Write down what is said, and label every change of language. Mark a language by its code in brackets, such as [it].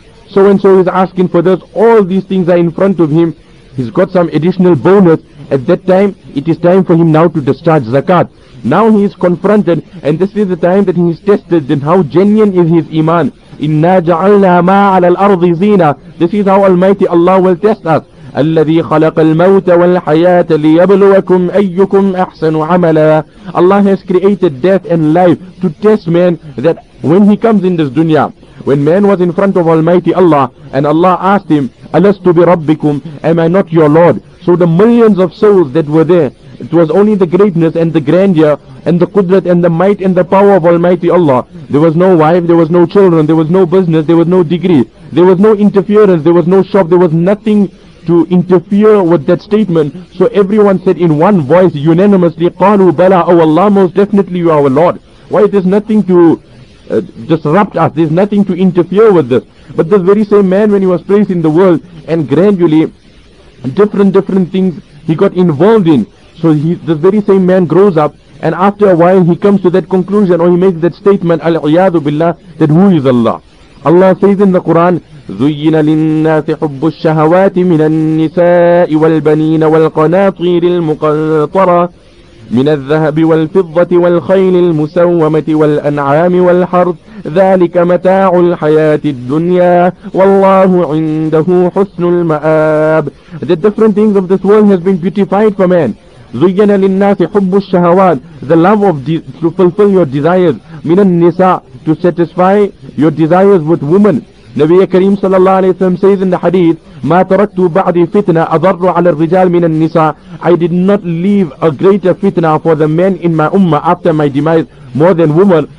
[en] So and so is asking for this. All these things are in front of him. He's got some additional bonus. At that time, it is time for him now to discharge zakat. Now he is confronted, and this is the time that he is tested. Then how genuine is his iman? [ar] Inna ja'alna ma 'ala al-ardi zina. [en] This is how Almighty Allah will test us. [ar] الذي خلق الموت والحياة ليبلوكم أيكم أحسن عملا. [en] Allah has created death and life to test man, that when he comes in this dunya, when man was in front of Almighty Allah and Allah asked him, [ar] أَلَسْتُ بِرَبِّكُمْ. [en] Am I not your Lord? So the millions of souls that were there, it was only the greatness and the grandeur and the qudrat and the might and the power of Almighty Allah. There was no wife, there was no children, there was no business, there was no degree, there was no interference, there was no shop, there was nothing to interfere with that statement. So everyone said in one voice, unanimously, [ar] قَالُوا بَلَىٰ. [en] Oh Allah, most definitely you are our Lord. Why, there's nothing to disrupt us, there's nothing to interfere with this. But this very same man, when he was placed in the world, and gradually different things he got involved in, so this very same man grows up, and after a while he comes to that conclusion, or he makes that statement, [ar] أَلْعِيَاذُ بِاللَّهِ, [en] that who is Allah? [ar] Allah says in the Quran, زين للناس حب الشهوات من النساء والبنين والقناطير المقنطرة من الذهب والفضة والخيل المسومة والأنعام والحرث ذلك متاع الحياة الدنيا والله عنده حسن المآب. [en] The different things of this world has been beautified for man. [ar] زين للناس حب الشهوات, [en] the love of to fulfill your desires, [ar] من النساء, [en] to satisfy your desires with women. Nabi Kareem sallallahu alayhi wa sallam says in the hadith, [ar] مَا تَرَكْتُ بَعْدِ فِتْنَةَ أَضَرُّ عَلَى الرِّجَالِ مِنَ النِّسَاءِ. [en] I did not leave a greater fitna for the men in my ummah after my demise more than women.